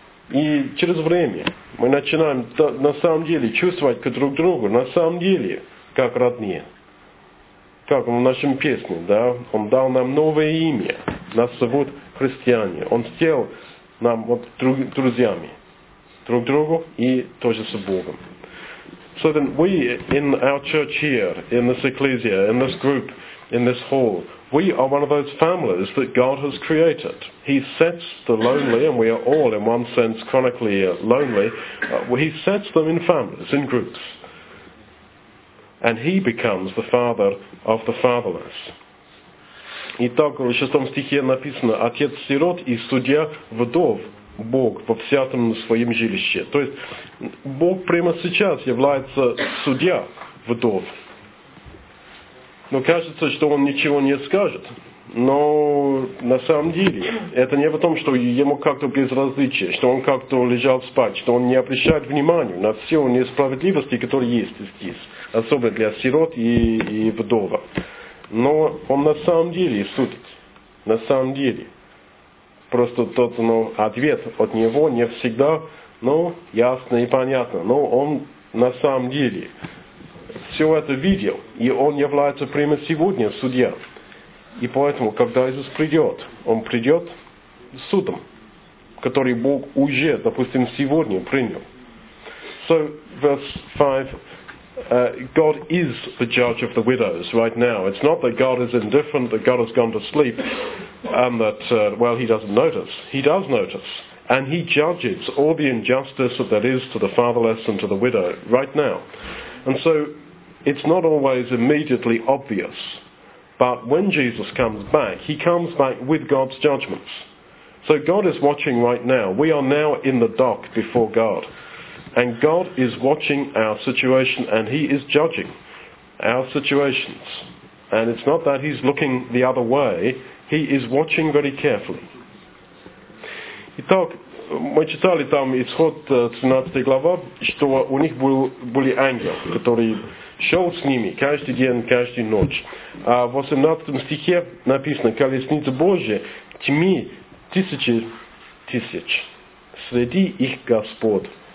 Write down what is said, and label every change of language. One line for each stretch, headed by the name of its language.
Russian: И через время мы начинаем на самом деле чувствовать друг друга, на самом деле, как родные. Как в нашем песне, да? Он дал нам новое имя. Нас зовут христиане. Он сделал нам вот друзьями. Друг другу и тоже с Богом.
English: So then we in our church here, in this ecclesia, in this group, in this hall, we are one of those families that God has created. He sets the lonely, and we are all in one sense chronically lonely, he sets them in families, in groups. And he becomes the father of the fatherless.
Russian: Итак, в шестом стихе написано, отец сирот и судья вдов, Бог во всяком своем жилище. То есть, Бог прямо сейчас является судья вдов. Но кажется, что он ничего не скажет. Но на самом деле, это не в том, что ему как-то безразличие, что он как-то лежал спать, что он не обращает внимания на все несправедливости, которые есть здесь. Особенно для сирот и вдова. Но он на самом деле судит. На самом деле. Просто тот ответ от него не всегда ясно и понятно. Но он на самом деле все это видел. И он является прямо сегодня судья. И поэтому, когда Иисус придет, он придет судом, который Бог уже, допустим, сегодня принял.
English: So, verse 5. God is the judge of the widows right now. It's not that God is indifferent, that God has gone to sleep, and that, he doesn't notice. He does notice. And he judges all the injustice that there is to the fatherless and to the widow right now. And so, it's not always immediately obvious. But when Jesus comes back, he comes back with God's judgments. So God is watching right now. We are now in the dock before God. And God is watching our situation, and he is judging our situations. And it's not that he's looking the other way. He is watching very carefully.
Russian: Итак, мы читали там исход 13 глава, что у них были ангелы, которые шел с ними каждый день, каждую ночь. А в 18 стихе написано, колесница Божия, тьми тысячи тысяч, среди их Господь.